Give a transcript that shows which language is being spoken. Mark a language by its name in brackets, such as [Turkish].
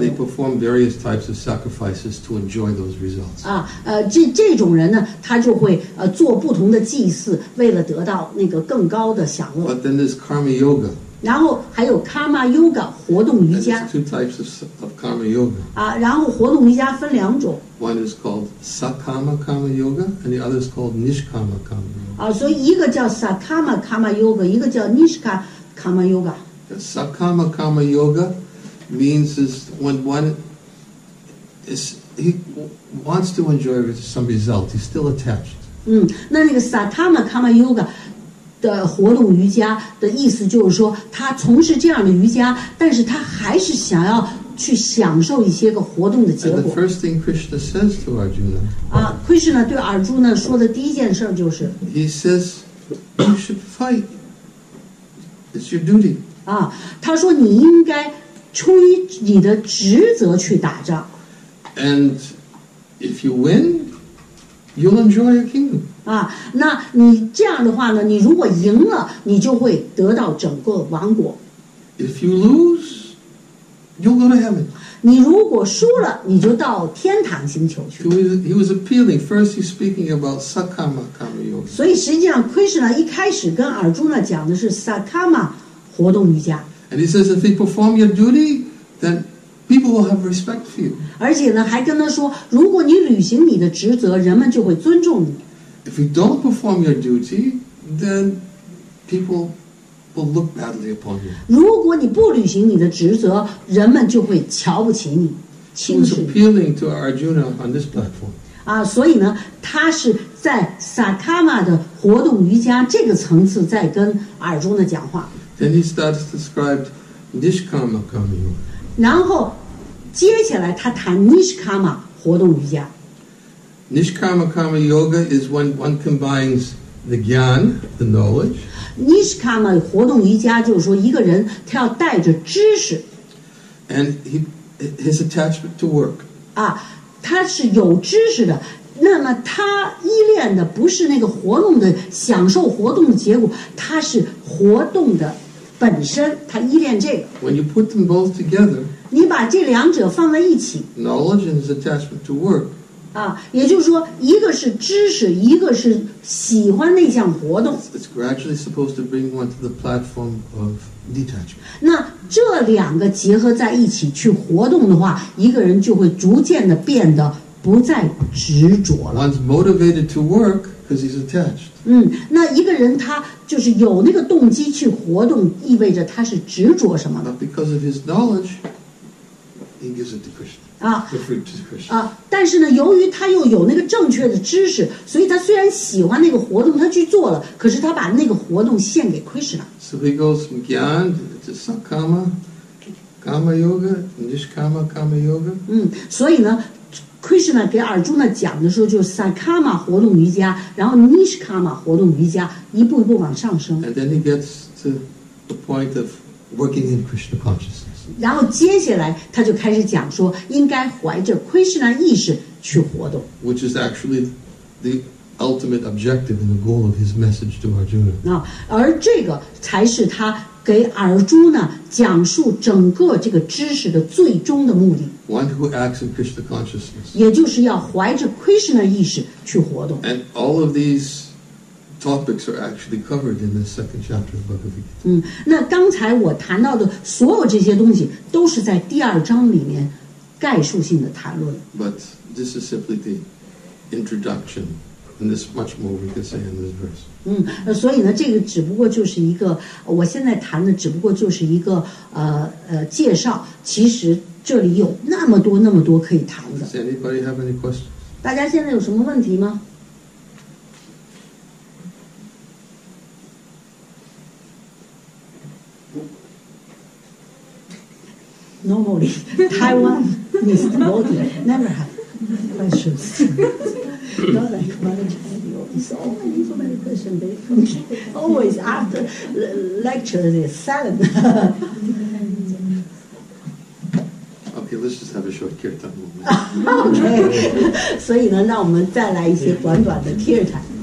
[English] And they perform various types of sacrifices to enjoy those results. [Chinese] 啊，这种人呢，他就会做不同的祭祀，为了得到那个更高的享乐。 [English] But then there's karma yoga. [Chinese] 然后还有 karma yoga 活动瑜伽。 [English] There's two types of karma yoga. [Chinese] 啊，然后活动瑜伽分两种。 [English] One is called sakama karma yoga, and the other is called nishkama karma yoga. [Chinese] 啊，所以一个叫 sakama karma yoga， 一个叫 nishkama karma yoga。 [English] Sakama karma yoga。 Means is when one is he wants to enjoy some result, he's still attached. [Chinese] 嗯，那个 Sakama Kama Yoga 的活动瑜伽的意思就是说，他从事这样的瑜伽，但是他还是想要去享受一些个活动的结果。 [English] And the first thing Krishna says to Arjuna. [Chinese] 啊 ，Krishna 对 Arjuna 说的第一件事就是。 [English] He says, "You should fight. It's your duty." [Chinese] 啊，他说你应该。出于你的职责去打仗 [English] ，and if you win, you'll enjoy your kingdom. [Chinese] 啊，那你这样的话呢？你如果赢了，你就会得到整个王国。 [English] If you lose, you'll go to heaven. [Chinese] 你如果输了，你就到天堂星球去。 [English] He was appealing. First, he's speaking about Sakama Kama Yoga. [Chinese] 所以实际上 ，Krishna 一开始跟 Arjuna 讲的是 Sakama 活动瑜伽。 [English] And he says, if you perform your duty, then people will have respect for you. [Chinese] 而且呢，还跟他说，如果你履行你的职责，人们就会尊重你。 [English] If you don't perform your duty, then people will look badly upon you. [Chinese] 如果你不履行你的职责，人们就会瞧不起你，轻视。 [English] He was appealing to Arjuna on this platform. [Chinese] 啊，所以呢，他是在 Sakama 的活动瑜伽这个层次在跟 Arjuna 讲话。 [English] Then he starts to describe Nishkama Kama Yoga. [Chinese] 然后接下来他谈 Nishkama 活动瑜伽 [English] Nishkama Kama Yoga is when one combines the gyan, the knowledge. [Chinese] Nishkama 活动瑜伽就是说一个人他要带着知识 [English] And his attachment to work. [Chinese] 啊，他是有知识的。那么他依恋的不是那个活动的享受活动的结果，他是活动的本身，他依恋这个。 [English] When you put them both together, [Chinese] 你把这两者放在一起 [English] ，knowledge and his attachment to work. [Chinese] 啊，也就是说，一个是知识，一个是喜欢那项活动。 [English] It's gradually supposed to bring one to the platform of detachment. [Chinese] 那这两个结合在一起去活动的话，一个人就会逐渐的变得。不再执着了。 [English] One's motivated to work because he's attached. [Chinese] 嗯，那一个人他就是有那个动机去活动，意味着他是执着什么 [English] ？But because of his knowledge, he gives it to Krishna. 啊，the fruit to Krishna. [Chinese] 啊，但是呢，由于他又有那个正确的知识，所以他虽然喜欢那个活动，他去做了，可是他把那个活动献给 Krishna. [English] So he goes from Gyan to Sakama, Kama Yoga, Nishkama Kama Yoga. [Chinese] 嗯，所以呢。 Krishna 给 Arjuna 讲的时候，就是 Sakama 活动瑜伽，然后 Nishkama 活动瑜伽，一步一步往上升。 [English] And then he gets to the point of working in Krishna consciousness. [Chinese] 然后接下来他就开始讲说，应该怀着 Krishna 意识去活动。 [English] Which is actually the ultimate objective and the goal of his message to Arjuna. [Chinese] 那而这个才是他给尔朱呢讲述整个这个知识的最终的目的。 [English] One who acts in Krishna consciousness. [Chinese] 也就是要怀着 Krishna 意识去活动。 [English] And all of these. Topics are actually covered in the second chapter of Bhagavad Gita. [Chinese] 那刚才我谈到的所有这些东西都是在第二章里面概述性的谈论。 [English] But this is simply the introduction, and there's much more we can say in this verse. [Chinese] 所以呢，这个只不过就是一个，我现在谈的只不过就是一个介绍。其实这里有那么多那么多可以谈的。 [English] Does anybody have any questions? [Chinese] 大家现在有什么问题吗？ [English] Normally, Taiwan is devoted, never have questions. Not like Mother China, you always so many questions. They always after lecture, they're silent. Okay, let's just have a short kirtan moment. [Chinese] Okay, 所以呢，让我们再来一些短短的kirtan。